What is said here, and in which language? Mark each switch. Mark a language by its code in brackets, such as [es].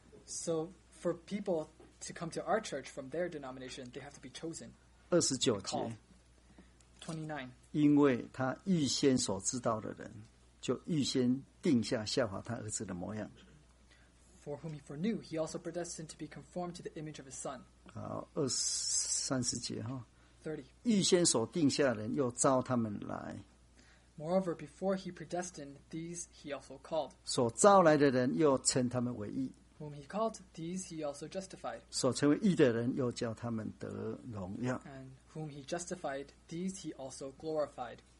[en] So for people to come to our church from their denomination, they have to be chosen. [zh] 29节, 因为他预先所知道的人, 就预先定下效法他儿子的模样。 [en] For whom he foreknew, he also predestined to be conformed to the image of his son. [zh] 好,30节, [en] 30. [zh] 预先所定下的人又召他们来。 [en] Moreover, before he predestined, these he also called. [zh] 所召来的人又称他们为义。 [en] Whom he called, these he also justified. [zh] 所成为义的人又叫他们得荣耀。 [en] And whom he justified, these he also glorified.